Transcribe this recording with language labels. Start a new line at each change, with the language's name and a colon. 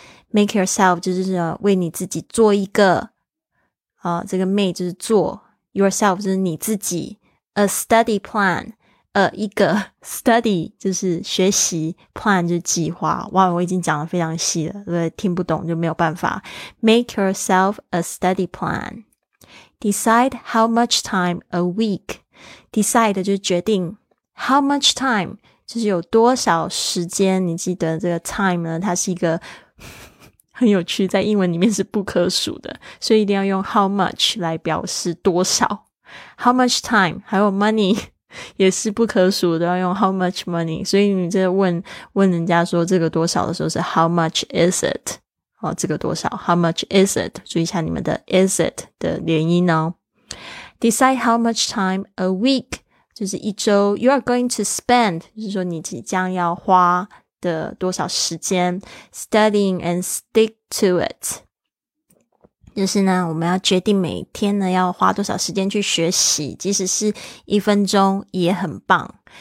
English: make yourself
Chinese: 就是为你自己做一个，这个 make 就是做 ，yourself 就是你自己 ，
English: a study plan。
Chinese: 一个 study 就是学习， plan 就是计划。哇，我已经讲得非常细了，对不对？听不懂就没有办法。
English: Make yourself a study plan. Decide how much time a week.
Chinese: Decide 就是决定。
English: How much time
Chinese: 就是有多少时间。你记得这个 time 呢，它是一个很有趣，在英文里面是不可数的，所以一定要用 how much 来表示多少。
English: How much time
Chinese: 还有
English: money。
Chinese: 也是不可数，都要用
English: how much money，
Chinese: 所以你这问人家说这个多少的时候是
English: how much is it，
Chinese: 哦，这个多少 how much is it， 注意一下你们的 is it 的连音哦。
English: decide how much time a week
Chinese: 就是一周
English: you are going to spend，
Chinese: 就是说你即将要花的多少时间
English: studying and stick to it，
Chinese: 就是呢我们要决定每天呢要花多少时间去学习，即使是一分钟也很棒。